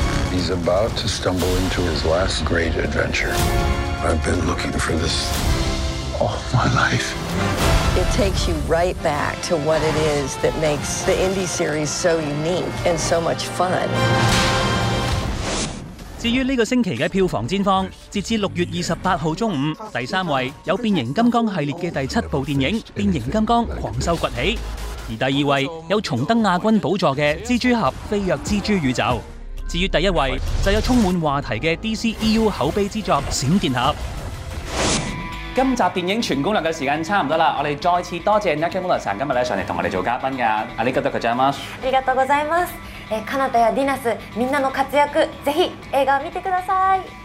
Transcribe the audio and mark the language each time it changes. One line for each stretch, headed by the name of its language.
English: He's about to stumble into his last great adventure. I've been looking for this all my life. It takes you right back to what it is that makes the Indy series so unique and so much fun.
Chinese: 至于这个星期的票房战况，截至6月28号中午，第三位有变形金刚系列的第七部电影《变形金刚：狂兽崛起》，而第二位有重登亚军宝座的《蜘蛛侠：飞跃蜘蛛宇宙》。至于第一位就有充满话题的 DCEU 口碑之作《闪电侠》。今集电影全攻略的时间差不多了，我们再次多谢 Nakamura 先生今天上来跟我们做嘉宾的。
Japanese: ありがとうございます。ありがとうございます。カナタやディナス、みんなの活躍、ぜひ映画を見てください。